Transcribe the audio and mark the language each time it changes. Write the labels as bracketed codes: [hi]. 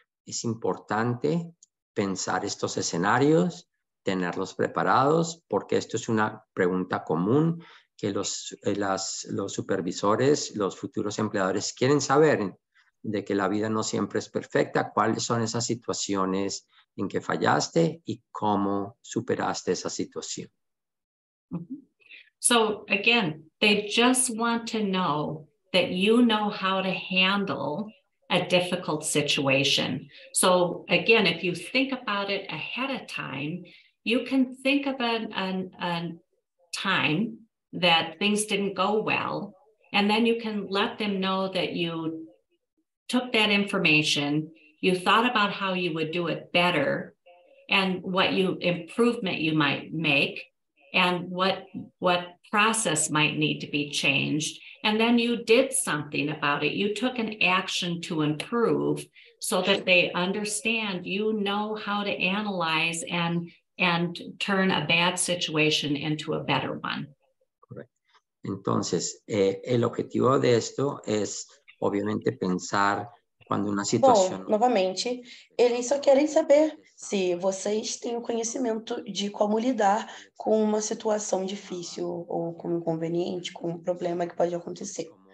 [es] Es importante pensar estos escenarios, tenerlos preparados, porque esto es una pregunta común que los supervisores, los futuros empleadores quieren saber, de que la vida no siempre es perfecta, cuáles son esas situaciones en que fallaste y cómo superaste esa situación. [en] So again, they just want to know that you know how to handle a difficult situation. So again, if you think about it ahead of time, you can think of a time that things didn't go well, and then you can let them know that you took that information, you thought about how you would do it better, and what you improvement you might make, and what process might need to be changed. And then you did something about it. You took an action to improve so that they understand you know how to analyze and turn a bad situation into a better one. Correct. [es] Entonces, el objetivo de esto es obviamente pensar [pt] quando uma situação... Bom, novamente, eles só querem saber se vocês têm o conhecimento de como lidar com uma situação difícil ou com um inconveniente, com um problema que pode acontecer.